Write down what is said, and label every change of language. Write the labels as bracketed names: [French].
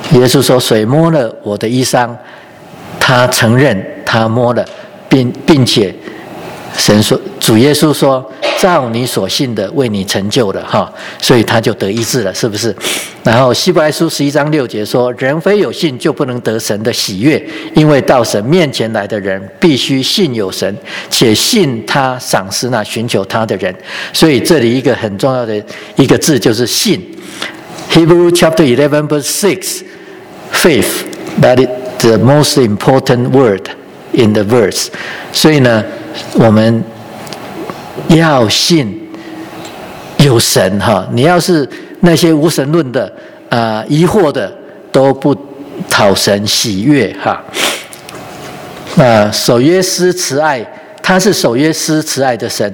[Chinese] 耶稣说：“谁摸了我的衣裳？” 他承认他摸了，并且神说，主耶稣说，照你所信的为你成就了，哈，所以他就得医治了，是不是？然后希伯来书十一章六节说，人非有信就不能得神的喜悦，因为到神面前来的人必须信有神，且信他赏赐那寻求他的人。所以这里一个很重要的一个字就是信。 [English] Hebrew chapter 11 verse 6 faith, that is the most important word in the verse. [Chinese] 所以呢，我们要信有神，你要是那些无神论的疑惑的都不讨神喜悦。守约施慈爱，他是守约施慈爱的神。